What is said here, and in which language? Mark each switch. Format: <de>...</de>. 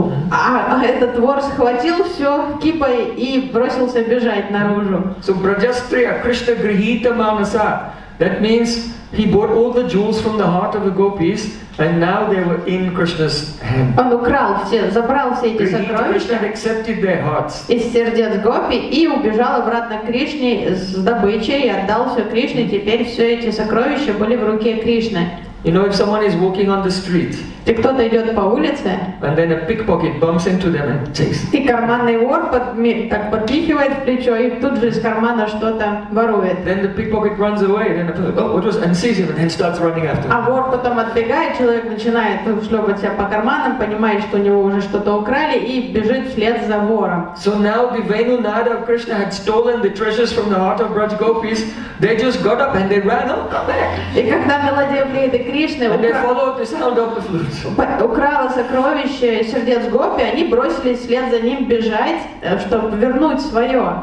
<ru>А этот вор схватил все кипой и бросился бежать наружу.</ru> <sa>So Браджастрия, Кришна грихита манаса.</sa> <en>That means he bought all the jewels from the heart of the gopis, and now they were in Krishna's hand.</en> <ru>Он украл все, забрал все эти сокровища.</ru> <en>Krishna accepted their hearts.</en> <ru>Из сердец гопи и убежал обратно к Кришне с добычей и отдал все Кришне. Теперь все эти сокровища были в руке Кришны.</ru> <en>You know, if someone is walking on the street,</en> <ru>и кто-то идет по улице,</ru> <en>and then a pickpocket bumps into them and takes.</en> <ru>И карманный вор так подпихивает в плечо и тут же из кармана что-то ворует.</ru> <en>Then the pickpocket runs away, then and sees him and then starts running after.</en> <ru>А вор потом отбегает, человек начинает шлепать себя по карманам, понимает, что у него уже что-то украли и бежит вслед за вором.</ru> <en>So now the Venu Nad of Krishna had stolen the treasures from the heart of Braj Gopis. They just got up and they ran. Oh, come back!</en> <ru>И когда мелодия влияет Кришны,</ru> <en>and they followed the sound of the flute.</en> <ru>Украла сокровище сердец гопи, они бросились вслед за ним бежать, чтобы вернуть свое.</ru>